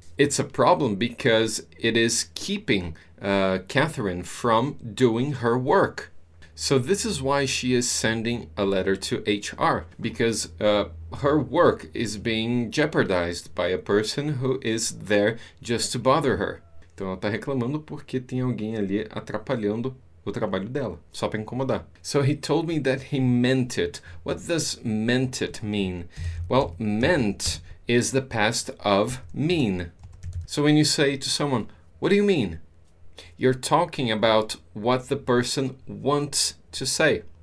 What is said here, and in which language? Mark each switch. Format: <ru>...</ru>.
<en>It's a problem because it is keeping Catherine from doing her work. So this is why she is sending a letter to HR, because her work is being jeopardized by a person who is there just to bother her.</en> <pt>Então ela está reclamando porque tem alguém ali atrapalhando o trabalho dela, só para incomodar.</pt> <en>So he told me that he meant it. What does meant it mean? Well, meant is the past of mean. So when you say to someone, what do you mean? You're talking about what the person wants to say.</en>